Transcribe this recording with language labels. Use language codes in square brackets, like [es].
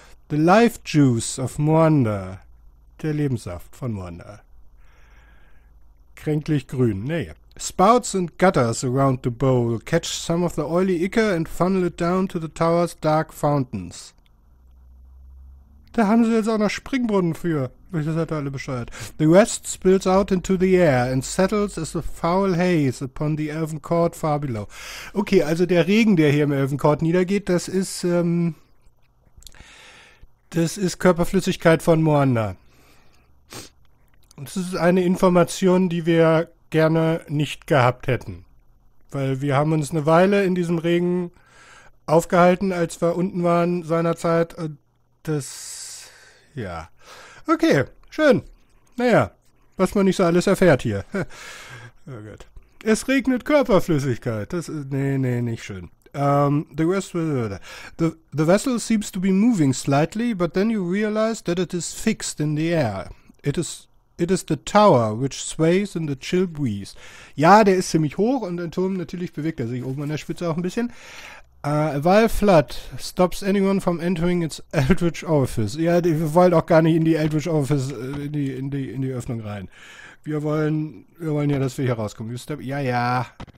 [en] The life juice of Moanda. [de] Der Lebenssaft von Moanda. Kränklich grün. Naja. [en] Spouts and gutters around the bowl catch some of the oily ichor and funnel it down to the tower's dark fountains. [de] Da haben sie jetzt auch noch Springbrunnen für. Das seid ihr alle bescheuert. [en] The rest spills out into the air and settles as a foul haze upon the Elven Court far below. [de] Okay, also der Regen, der hier im Elven Court niedergeht, das ist Körperflüssigkeit von Moanda. Das ist eine Information, die wir gerne nicht gehabt hätten. Weil wir haben uns eine Weile in diesem Regen aufgehalten, als wir unten waren seinerzeit. Und das. Ja. Okay, schön. Naja, was man nicht so alles erfährt hier. Oh Gott. Es regnet Körperflüssigkeit. Das ist. Nee, nee, nicht schön. [en] The rest will. The vessel seems to be moving slightly, but then you realize that it is fixed in the air. It is the tower, which sways in the chill breeze. [de] Ja, der ist ziemlich hoch und der Turm natürlich bewegt er sich oben an der Spitze auch ein bisschen. [en] A Vile Flood stops anyone from entering its Eldritch Orifice. [de] Ja, wir wollen auch gar nicht in die Eldritch Orifice, in die Öffnung rein. Wir wollen ja, dass wir hier rauskommen. Ja. Ja.